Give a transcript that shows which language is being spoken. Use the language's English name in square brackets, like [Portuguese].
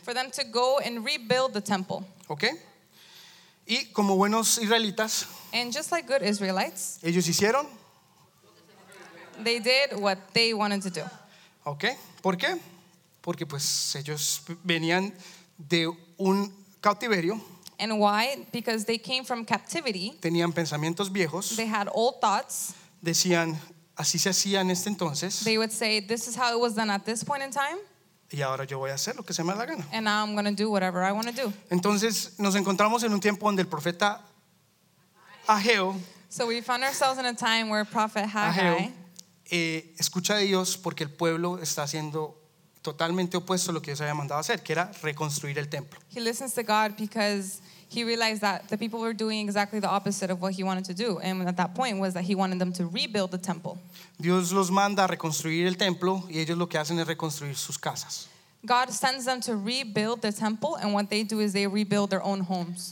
[English] For them to go and rebuild the temple. Okay. [Spanish] Y como buenos israelitas. [English] And just like good Israelites. [Spanish] Ellos hicieron. [English] They did what they wanted to do. [Spanish] Okay. ¿Por qué? Porque pues ellos venían de un cautiverio. [English] And why? Because they came from captivity. [Spanish] Tenían pensamientos viejos. [English] They had old thoughts. [Spanish] Decían, así se hacía en este entonces. [English] They would say, this is how it was done at this point in time. [Spanish] Y ahora yo voy a hacer lo que se me da la gana. [English] And now I'm going to do whatever I want to do. [Spanish] Entonces, nos encontramos en un tiempo donde el profeta Ageo. [English] So we found ourselves in a time where Prophet Haggai. [Spanish] Ageo, escucha de Dios porque el pueblo está haciendo totalmente opuesto a lo que Dios había mandado hacer, que era reconstruir el templo. [English] He listens to God because he realized that the people were doing exactly the opposite of what he wanted to do. And at that point was that he wanted them to rebuild the temple. [Spanish] Dios los manda a reconstruir el templo y ellos lo que hacen es reconstruir sus casas. [English] God sends them to rebuild the temple and what they do is they rebuild their own homes.